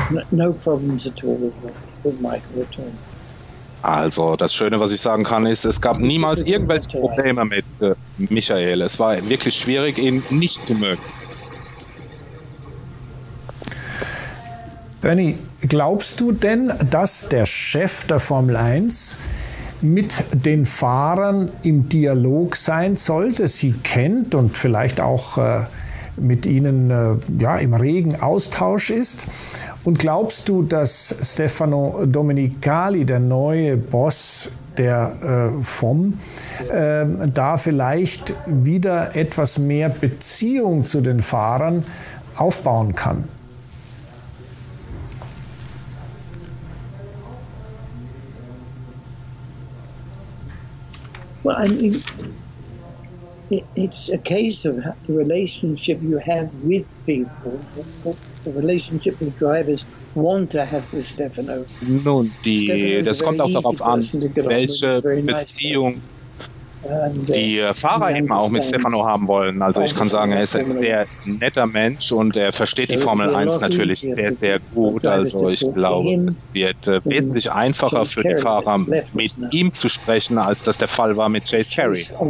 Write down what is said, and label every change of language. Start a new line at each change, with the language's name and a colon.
English: No problems at all with Michael at all.
German: Also, das Schöne, was ich sagen kann, ist, es gab niemals irgendwelche Probleme mit Michael. Es war wirklich schwierig, ihn nicht zu mögen. Bernie, glaubst du denn, dass der Chef der Formel 1 mit den Fahrern im Dialog sein sollte, sie kennt und vielleicht auch mit ihnen im regen Austausch ist? Und glaubst du, dass Stefano Domenicali, der neue Boss der FOM, da vielleicht wieder etwas mehr Beziehung zu den Fahrern aufbauen kann?
English: Well, I mean, it's a case of the relationship you have with people, the relationship the drivers want to have with Stefano.
German: Nun, das kommt auch darauf an, welche Beziehung die Fahrer eben auch mit Stefano haben wollen. Also ich kann sagen, er ist ein sehr netter Mensch und er versteht die Formel 1 natürlich sehr, sehr gut. Also ich glaube, es wird wesentlich einfacher für die Fahrer, mit ihm zu sprechen, als das der Fall war mit Chase Carey.